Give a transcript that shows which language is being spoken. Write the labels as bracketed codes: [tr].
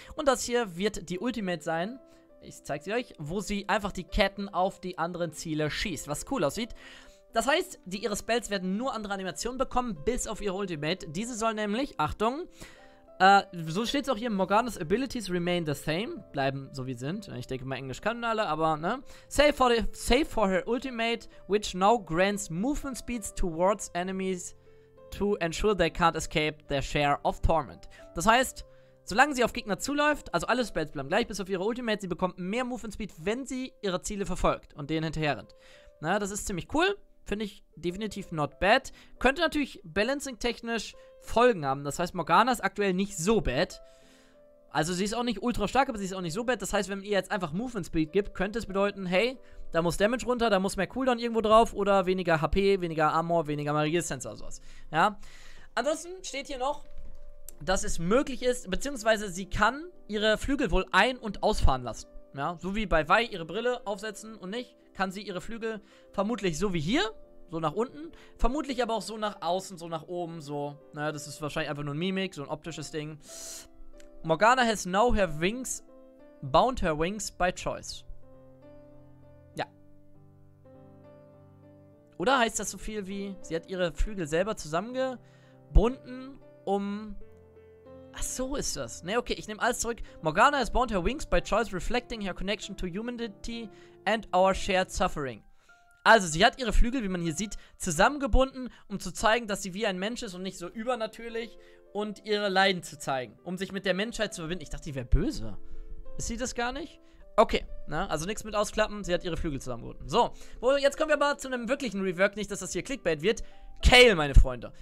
[de] Und das hier wird die Ultimate sein, ich zeige sie euch, wo sie einfach die Ketten auf die anderen Ziele schießt, was cool aussieht. Das heißt, ihre Spells werden nur andere Animationen bekommen, bis auf ihre Ultimate. Diese soll nämlich, Achtung, so steht es auch hier, [en] Morgana's Abilities remain the same, [de] bleiben so wie sind. Ich denke mal, Englisch können alle, aber ne. [en] Save for her Ultimate, which now grants movement speeds towards enemies to ensure they can't escape their share of torment. [de] Das heißt, solange sie auf Gegner zuläuft, also alle Spells bleiben gleich bis auf ihre Ultimate, sie bekommt mehr Movement Speed, wenn sie ihre Ziele verfolgt und denen hinterherrennt. Na, das ist ziemlich cool. Finde ich definitiv [en] not bad. [de] Könnte natürlich balancing-technisch Folgen haben. Das heißt, Morgana ist aktuell nicht so bad. Also sie ist auch nicht ultra stark, aber sie ist auch nicht so bad. Das heißt, wenn ihr jetzt einfach Movement Speed gibt, könnte es bedeuten, hey, da muss Damage runter, da muss mehr Cooldown irgendwo drauf oder weniger HP, weniger Armor, weniger Magie-Sensor oder sowas. Ja. Ansonsten steht hier noch, dass es möglich ist, beziehungsweise sie kann ihre Flügel wohl ein- und ausfahren lassen. Ja, so wie bei Vi ihre Brille aufsetzen und nicht, kann sie ihre Flügel vermutlich so wie hier, so nach unten, vermutlich aber auch so nach außen, so nach oben, so. Naja, das ist wahrscheinlich einfach nur ein Mimik, so ein optisches Ding. [en] Morgana has now her wings, bound her wings by choice. [de] Oder heißt das so viel wie, sie hat ihre Flügel selber zusammengebunden, um... Ach so ist das. Ne, okay, ich nehme alles zurück. [en] Morgana has bound her wings by choice, reflecting her connection to humanity and our shared suffering. [de] Also, sie hat ihre Flügel, wie man hier sieht, zusammengebunden, um zu zeigen, dass sie wie ein Mensch ist und nicht so übernatürlich und ihre Leiden zu zeigen, um sich mit der Menschheit zu verbinden. Ich dachte, die wäre böse. Ist sie das gar nicht? Okay, ne? Also nichts mit ausklappen, sie hat ihre Flügel zusammengebunden. So, jetzt kommen wir aber zu einem wirklichen Rework, nicht, dass das hier Clickbait wird. Kale, meine Freunde.